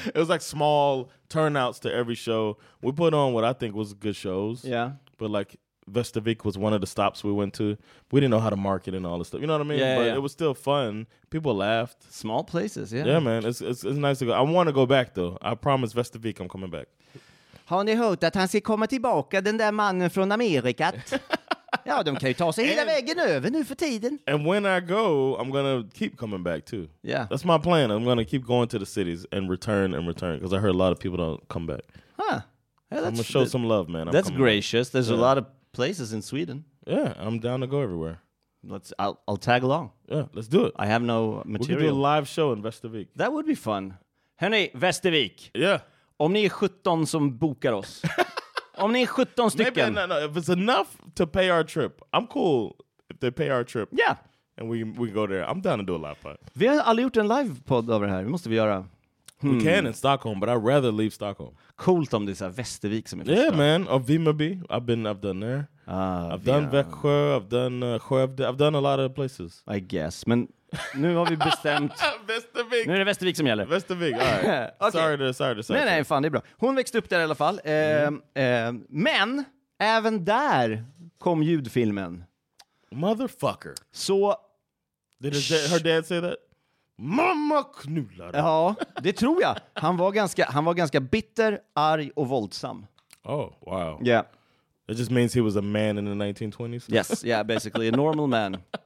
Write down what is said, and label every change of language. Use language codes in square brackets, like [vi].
[en] It was like small turnouts to every show. We put on what I think was good shows. Yeah. But like Västervik was one of the stops we went to. We didn't know how to market and all this stuff. You know what I mean? Yeah, but yeah. It was still fun. People laughed. Small places, yeah. Yeah, man. It's nice to go. I want to go back, though. I promise Västervik I'm coming back. [sv] Har ni hört att han ska komma tillbaka, den där mannen från Amerikat? Ja, de kan ju ta sig hela vägen över nu för tiden. [en] And when I go, I'm gonna keep coming back too. Yeah. That's my plan. I'm gonna keep going to the cities and return because I heard a lot of people don't come back. Huh. Yeah, I'm gonna show some love, man. That's gracious. There's a lot of places in Sweden. Yeah, I'm down to go everywhere. I'll tag along. Yeah, let's do it. I have no material. We could do a live show in Västervik. That would be fun. [sv] Hörrni, [en] Västervik. Yeah. [sv] Om ni är 17 som bokar oss. Om ni är 17 stycken. [en] Maybe, no, if it's enough to pay our trip. I'm cool if they pay our trip. Yeah. And we go there. I'm down to do a live pod. [sv] Vi har aldrig gjort en live pod över här. Vi måste vi göra. [en] We can in Stockholm, but I'd rather leave Stockholm. [sv] Coolt om det är så här Västervik som är första. [en] Yeah, man. Or Vimmerby. I've done there. I've done Växjö. I've done Skövde. I've done a lot of places. I guess. [sv] Men nu har vi bestämt. Västervik. Nu är det Västervik som gäller. [en] Västervik, all right. Okay. Sorry. [sv] Nej, fan, det är bra. Hon växte upp där i alla fall. Men även där kom ljudfilmen. [en] Motherfucker. [sv] Så. [en] Did her dad say that? [sv] Mamma knullar. Ja, det tror jag. Han var ganska bitter, arg och våldsam. [en] Oh, wow. Yeah. That just means he was a man in the 1920s. Yes, yeah, basically a normal man.